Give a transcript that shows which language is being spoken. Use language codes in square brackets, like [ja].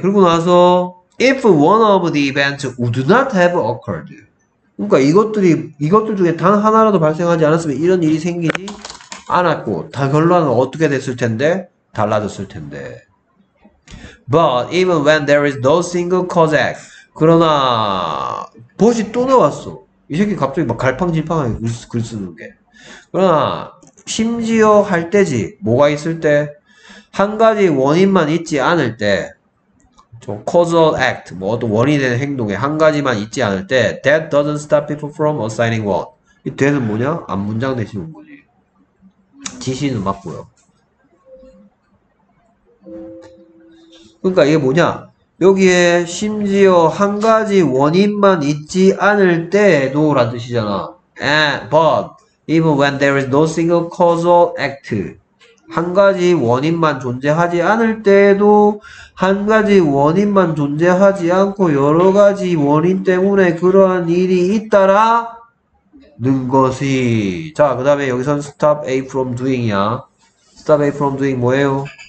[ko] 그러고 나서, [en] if one of the events would not have occurred. [ko] 그러니까 이것들 중에 단 하나라도 발생하지 않았으면 이런 일이 생기지 않았고, 다 결론은 어떻게 됐을 텐데? 달라졌을 텐데. [en] But even when there is no single cause act. [ko] 그러나, 벗이 또 나왔어. 이 새끼 갑자기 막 갈팡질팡하게 글 쓰는 게. 그러나 심지어 할 때지, 뭐가 있을 때, 한 가지 원인만 있지 않을 때, 좀 causal act, 뭐 어떤 원인이 되는 행동에 한 가지만 있지 않을 때, [en] that doesn't stop people from assigning one. [ko] 이 되는 뭐냐? 앞 문장 대신 거지. 지시는 맞고요. 그러니까 이게 뭐냐? 여기에 심지어 한 가지 원인만 있지 않을 때에도 라는 뜻이잖아. [en] And, but, even when there is no single causal act. [ko] 한 가지 원인만 존재하지 않을 때에도, 한 가지 원인만 존재하지 않고 여러 가지 원인 때문에 그러한 일이 있다라는 것이. 자, 그 다음에 여기선 [en] stop A from doing [ko] 이야. stop A from doing 뭐예요?